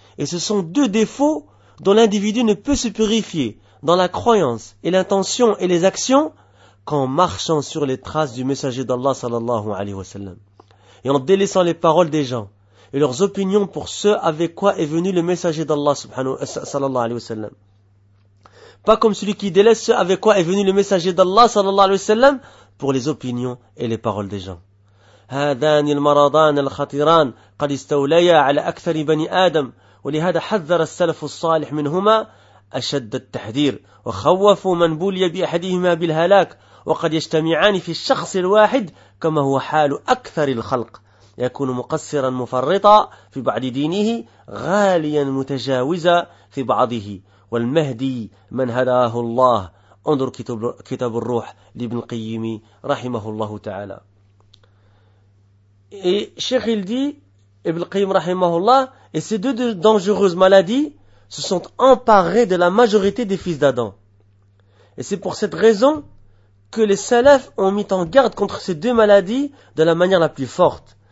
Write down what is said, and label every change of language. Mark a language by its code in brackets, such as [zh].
[fr] Et ce sont deux défauts dont l'individu ne peut se purifier dans la croyance et l'intention et les actions qu'en marchant sur les traces du messager d'Allah sallallahu alayhi wa sallam. Et en délaissant les paroles des gens et leurs opinions pour ce avec quoi est venu le messager d'Allah sallallahu alayhi wa sallam. Pas comme celui qui délaisse ce avec quoi est venu le messager d'Allah sallallahu alayhi wa sallam pour les opinions et les paroles des gens. [ar] هذان المرضان الخطيران قد استوليا على أكثر بني آدم ولهذا حذر السلف الصالح منهما أشد التحذير وخوفوا من بولي بأحدهما بالهلاك وقد يجتمعان في الشخص الواحد كما هو حال أكثر الخلق يكون مقصرا مفرطا في بعض دينه غاليا متجاوزا في بعضه والمهدي من هداه الله. انظر كتاب الروح لابن القيم رحمه الله تعالى. [fr] Et Cheikh il dit, Ibn Qayyim rahimahullah, et ces deux dangereuses maladies se sont emparées de la majorité des fils d'Adam. Et c'est pour cette raison que les salafs ont mis en garde contre ces deux maladies de la manière la plus forte.